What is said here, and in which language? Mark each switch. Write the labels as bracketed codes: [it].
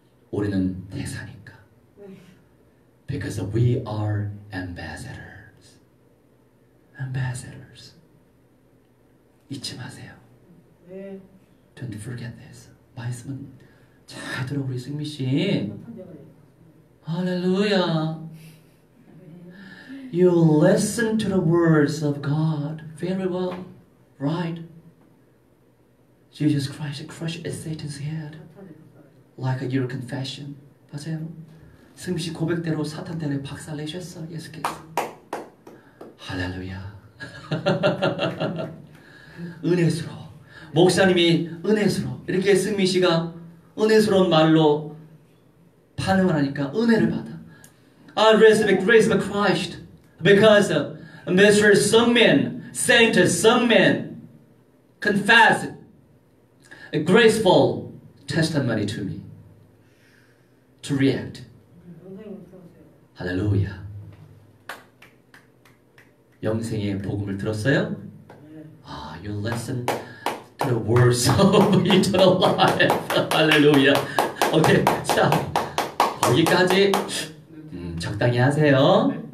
[ko] 우리는 대사니. [en] Because we are ambassadors. Ambassadors. [ko] 잊지 마세요. 네. [en] Don't forget this. [ko] 말씀은 잘 들어 우리 승미 씨. 할렐루야. [en] You listen to the words of God very well, right? Jesus Christ crushed Satan's head. Like your confession. [ko] 맞아요. 승미씨 고백대로 사탄 때문에 박살 내셨어 예수께서. 할렐루야. 은혜스러워. 목사님이 은혜스러워. 이렇게 승미씨가 은혜스러운 말로 반응을 하니까 은혜를 받아. [en] I respect grace of Christ because Mr. Sungmin, Saint Sungmin confessed a graceful testimony to me to react. 할렐루야. [ko] 영생의 복음을 들었어요? [en] 아, you listen to the words of eternal life. [ko] 할렐루야. 오케이, 자, 거기까지 적당히 하세요.